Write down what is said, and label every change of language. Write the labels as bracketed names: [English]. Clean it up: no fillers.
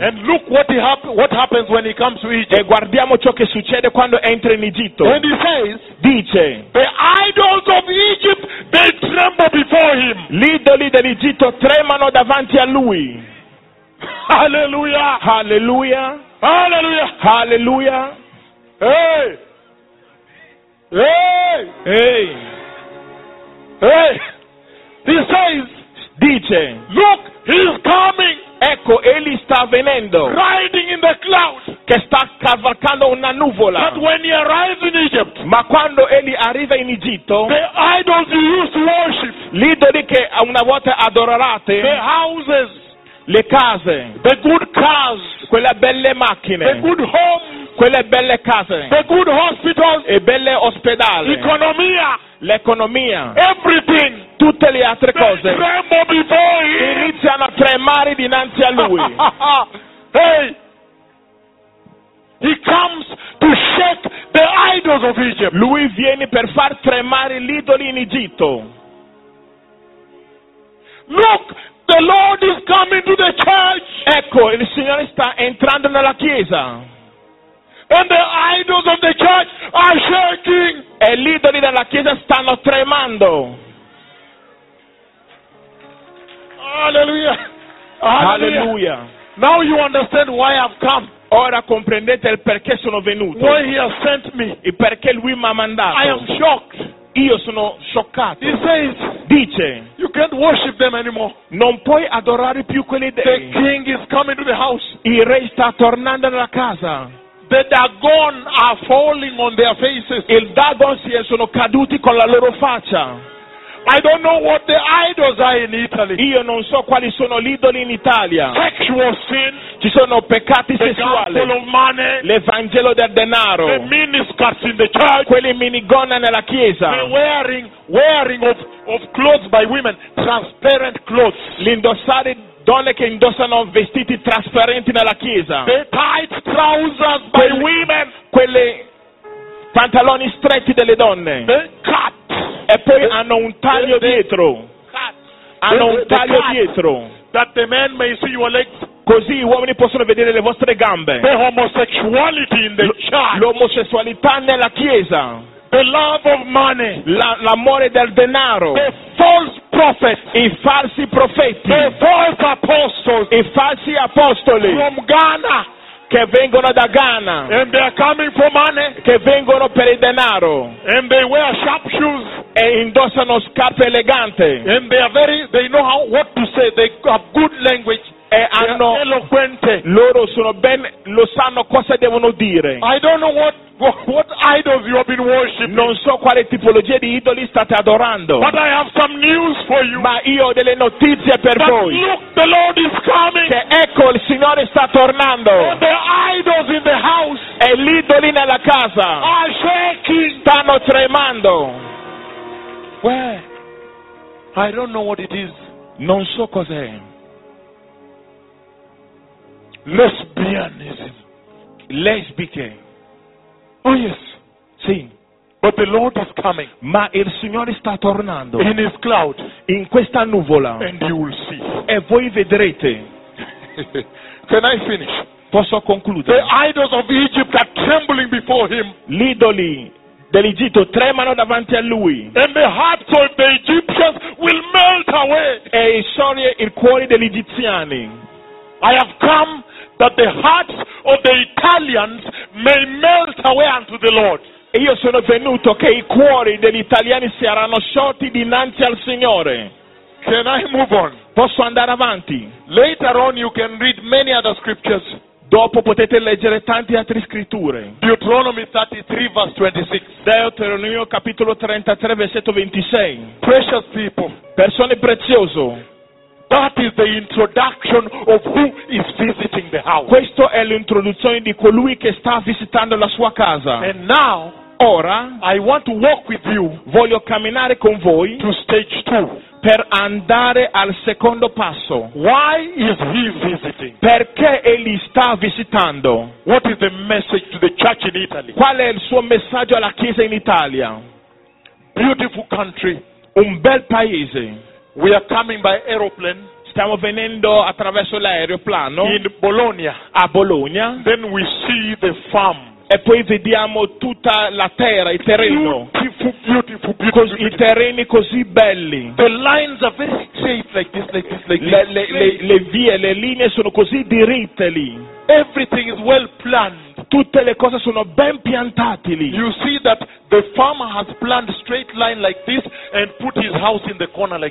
[English] And look what happens when he comes to Egypt. [Italian] E guardiamo ciò che succede quando entra in Egitto. [English] And he says, [Italian] dice, [English] the idols of Egypt they tremble before him. [Italian] Gli idoli dell'Egitto tremano davanti a lui. [English] Hallelujah. Hallelujah. Hallelujah. Hallelujah. Hey. Hey! Hey! Hey! He says, [Italian] dice, [English] look, he's coming! [Italian] Ecco, egli sta venendo. [English] Riding in the clouds! [Italian] Che sta cavalcando una nuvola. [English] But when he arrives in Egypt, [Italian] ma quando egli arriva in Egitto, [English] the idols you used to worship, [Italian] gli idoli che una volta adorarate, [English] the houses, [Italian] le case, [English] the good cars, [Italian] quelle belle macchine, [English] the good homes, [Italian] quelle belle case, [English] the good hospitals, [Italian] e belle ospedali, economia, l'economia, [English] everything, [Italian] tutte le altre cose, [English] tremble before him. [Italian] Iniziano a tremare dinanzi a lui. [English] Hey, he comes to shake the idols of Egypt. [Italian] Lui viene per far tremare gli idoli in Egitto. [English] Look, the Lord is coming to the church. [Italian] Ecco, il Signore sta entrando nella chiesa. [English] And the idols of the church are shaking. [Italian] E gli idoli della chiesa stanno tremando. [English] Hallelujah. Hallelujah. Hallelujah. Now you understand why I've come. [Italian] Ora comprendete il perché sono venuto. [English] Why he has sent me. [Italian] E perché lui mi ha mandato. [English] I am shocked. [Italian] Io sono scioccato. [English] He says, [Italian] dice, [English] you can't worship them anymore. [Italian] Non puoi adorare più quelli dei. [English] The king is coming to the house. [Italian] Il re sta tornando nella casa. [English] The Dagon are falling on their faces. [Italian] Il Dagon si sono caduti con la loro faccia. [English] I don't know what the idols are in Italy. [Italian] Io non so quali sono gli idoli in Italia. [English] Sexual sin. [Italian] Ci sono peccati sessuali. [English] The gospel of money. [Italian] L'evangelo del denaro. [English] The miniskirts in the church. [Italian] Quelle minigonne nella chiesa. [English] The wearing of clothes by women, transparent clothes. [Italian] L'indossare donne che indossano vestiti trasparenti nella chiesa. [English] The tight trousers by women. [Italian] Quelle pantaloni stretti delle donne. [English] Cut. [Italian] E poi hanno un taglio dietro. Hanno un taglio dietro. [English] That the men may see your legs. [Italian] Così gli uomini possono vedere le vostre gambe. [English] The homosexuality in the church. [Italian] L'omosessualità nella chiesa. [English] The love of money. [Italian] L'amore del denaro. [English] The false prophets. [Italian] I falsi profeti. [English] The false apostles. [Italian] I falsi apostoli. [English] From Ghana. [Italian] Che vengono da Ghana. [English] And they are coming for money. [Italian] Che vengono per il denaro. [English] And they wear sharp shoes. [Italian] E indossano scarpe eleganti. [English] And they are very, they know how, what to say. They have good language. [Italian] E hanno, [English] they are eloquent. [Italian] Loro sono ben, lo sanno cosa devono dire. [English] I don't know what idols you have been worshiping. [Italian] Non so quale tipologia di idoli state adorando. [English] But I have some news for you. [Italian] Ma io ho delle notizie per [English] that [Italian] voi. [English] Look, the Lord is coming. [Italian] Che ecco, il Signore sta tornando. [English] And the idols in the house. [Italian] E gli idoli nella casa. [English] Are shaking. [Italian] Stanno tremando. [English] Where? I don't know what it is. [Italian] Non so cos'è. [English] Lesbianism. [Italian] Lesbiche. [English] Oh yes. [Italian] Sì. [English] But the Lord is coming. [Italian] Ma il Signore sta tornando. [English] In his cloud. [Italian] In questa nuvola. [English] And you will see. [Italian] E voi vedrete. [English] Can I finish? [Italian] Posso concludere? [English] The idols of Egypt are trembling before him. [Italian] L'idoli dell'Egitto tremano davanti a lui. [English] And the hearts of the Egyptians will melt away. [Italian] E i sogni e il cuore degli egiziani. [English] I have come that the hearts of the Italians may melt away unto the Lord. [Italian] E io sono venuto che i cuori degli italiani saranno sciolti dinanzi al Signore. [English] Can I move on? [Italian] Posso andare avanti? [English] Later on you can read many other scriptures. [Italian] Dopo potete leggere tante altre scritture. [English] Deuteronomy 33 verse 26. [Italian] Deuteronomio capitolo 33 versetto 26. [English] Precious people. [Italian] Persone preziose. [English] That is the introduction of who is visiting the house. [Italian] Questo è l'introduzione di colui che sta visitando la sua casa. [English] And now, [Italian] ora, [English] I want to walk with you. [Italian] Voglio camminare con voi. [English] To stage two. [Italian] Per andare al secondo passo. [English] Why is he visiting? [Italian] Perché egli sta visitando? [English] What is the message to the church in Italy? [Italian] Qual è il suo messaggio alla chiesa in Italia? [English] Beautiful country. [Italian] Un bel paese. [English] We are coming by aeroplane. [Italian] Stiamo venendo attraverso l'aeroplano. [English] In Bologna. [Italian] A Bologna. [English] Then we see the farm. [Italian] E poi vediamo tutta la terra, il terreno. [English] Beautiful, beautiful, beautiful. [Italian] Così, i terreni così belli. [English] The lines are very straight like this, like this, like this. [Italian] Le vie, le linee sono così diritte lì. [English] Everything is well planned. [Italian] Tutte le cose sono ben piantate lì. [English] You see that the farmer has planned straight line like this and put his house in the corner like